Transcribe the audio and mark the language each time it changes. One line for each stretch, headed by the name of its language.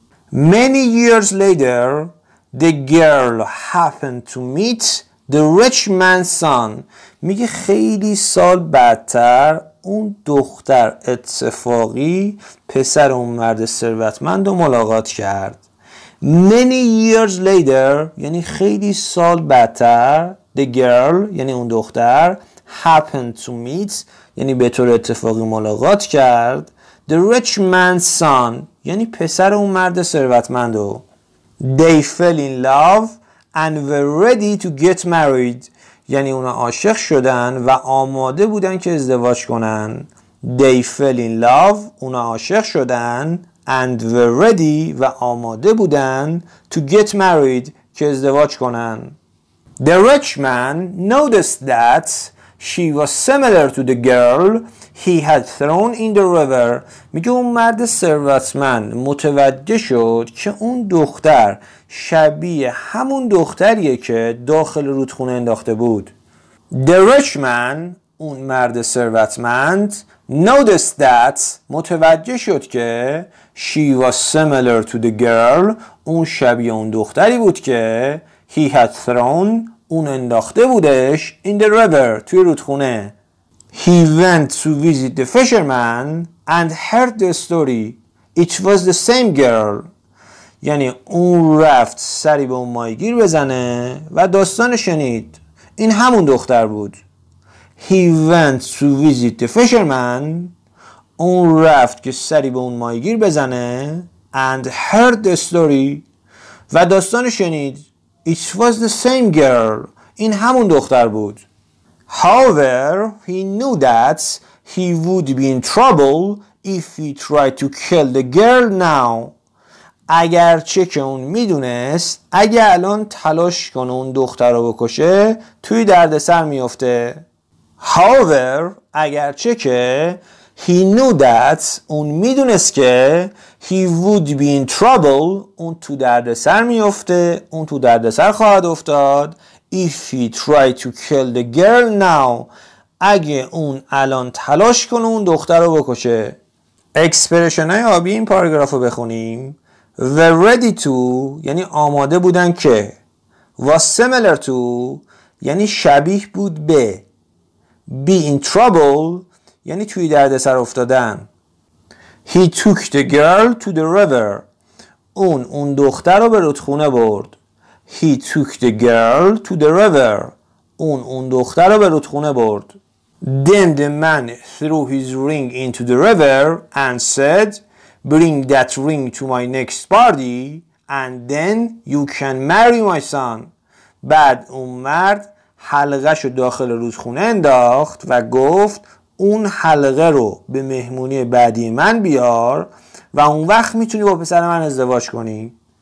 English: many years later the girl happened to meet the rich man's son.
Persian: میگه خیلی سال بعدتر اون دختر اتفاقی پسر اون مرد ثروتمند رو ملاقات کرد.
English: many years later
Persian: یعنی خیلی سال بعدتر
English: the girl
Persian: یعنی اون دختر
English: happened to meet
Persian: یعنی به طور اتفاقی ملاقات کرد
English: the rich man's son
Persian: یعنی پسر اون مرد ثروتمند رو.
English: they fell in love and were ready to get married
Persian: یعنی اونا عاشق شدن و آماده بودن که ازدواج کنن.
English: they fell in love
Persian: اونا عاشق شدن
English: and were ready
Persian: و آماده بودن
English: to get married
Persian: که ازدواج کنن.
English: the rich man noticed that she was similar to the girl he had thrown in the river.
Persian: میگه اون مرد ثروتمند متوجه شد که اون دختر شبیه همون دختریه که داخل رودخونه انداخته بود.
English: the rich man
Persian: اون مرد ثروتمند
English: noticed that
Persian: متوجه شد که
English: she was similar to the girl
Persian: اون شبیه اون دختری بود که
English: he had thrown
Persian: اون انداخته بودش
English: in the river
Persian: توی رودخونه.
English: He went to visit the fisherman and heard the story. It was the same girl.
Persian: یعنی اون رفت سری به اون ماهیگیر بزنه و داستان شنید. این همون دختر بود.
English: He went to visit the fisherman.
Persian: اون رفت که سری به اون ماهیگیر بزنه
English: and heard the story.
Persian: و داستان شنید.
English: It was the same girl.
Persian: این همون دختر بود.
English: However, he knew that he would be in trouble if he tried to kill the girl now.
Persian: اگرچه که اون میدونست اگه الان تلاش کنه اون دختر رو بکشه توی دردسر میفته.
English: However,
Persian: اگرچه که
English: he knew that
Persian: اون میدونست که
English: he would be in trouble
Persian: اون تو دردسر میفته، اون تو دردسر خواهد افتاد.
English: If he tried to kill the girl now
Persian: اگه اون الان تلاش کنه اون دختر رو بکشه. اکسپرشن های آبی این پاراگراف رو بخونیم.
English: were ready to
Persian: یعنی آماده بودن که،
English: was similar to
Persian: یعنی شبیه بود به،
English: be in trouble
Persian: یعنی توی دردسر افتادن.
English: He took the girl to the river.
Persian: اون دختر رو به رودخونه برد.
English: He took the girl to the river.
Persian: اون دختر رو به رودخونه برد.
English: Then the man threw his ring into the river and said, bring that ring to my next party and then you can marry my son.
Persian: بعد اون مرد حلقش رو داخل رودخونه انداخت و گفت اون حلقه رو به مهمونی بعدی من بیار و اون وقت میتونی با پسر من ازدواج کنی.